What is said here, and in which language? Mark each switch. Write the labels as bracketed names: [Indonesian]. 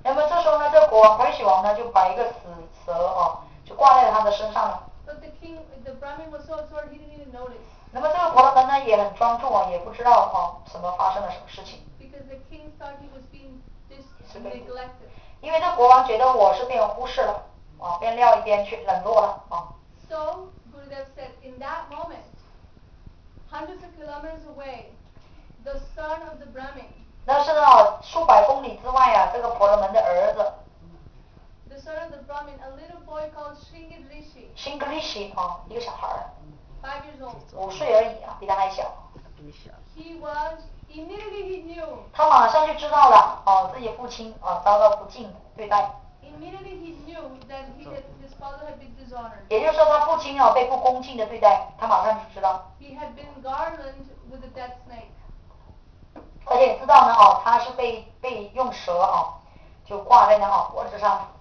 [Chinese] 那么这时候呢，这国王 Parikshit 王呢，就把一个死蛇啊。就挂在他的身上了。 [English] But the king, the Brahmin was so absorbed, he didn't even notice. [Chinese] 那么这个婆罗门呢也很专注啊，也不知道啊什么发生了什么事情。 [English] Because the king thought he was being neglected. [Chinese] 因为这国王觉得我是被忽视了，啊，被撂一边去冷落了，啊。 [English] So Gurudev said, in that moment, hundreds of kilometers away, the son of the Brahmin. [Chinese] 那是呢，数百公里之外呀、啊，这个婆罗门的儿子。 [English] The son of the Brahmin, a little boy called Shingad Rishi. [Chinese] Shingad Rishi, 啊，一个小孩儿。 [English] Five years old. [Chinese] 五岁而已啊，比他还小。 [English] He was immediately he knew. [Chinese] 他马上就知道了，哦、啊，自己父亲啊遭到不敬对待。 [English] Immediately he knew that his father had been dishonored. [Chinese] 也就是说，他父亲啊被不恭敬的对待，他马上就知道。 [English] He had been garlanded with a dead snake. [Chinese] 而且知道呢，哦、啊，他是被用蛇啊，就挂在那啊脖子上。